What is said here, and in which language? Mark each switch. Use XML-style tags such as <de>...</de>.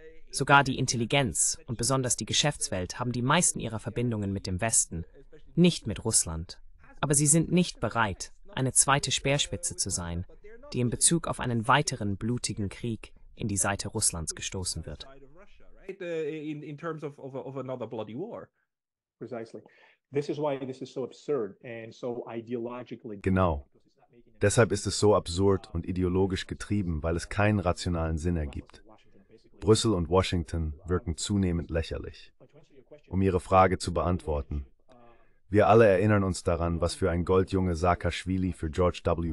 <de>Sogar die Intelligenz und besonders die Geschäftswelt haben die meisten ihrer Verbindungen mit dem Westen, nicht mit Russland. Aber sie sind nicht bereit, eine zweite Speerspitze zu sein, die in Bezug auf einen weiteren blutigen Krieg in die Seite Russlands gestoßen wird.</de> <en>In terms of another bloody war. Precisely. This is why this is so absurd and so ideologically.</en> <de>Genau. Deshalb ist es so absurd und ideologisch getrieben, weil es keinen rationalen Sinn ergibt. Brüssel und Washington wirken zunehmend lächerlich. Um Ihre Frage zu beantworten: Wir alle erinnern uns daran, was für ein Goldjunge Saakashvili für George W.</de>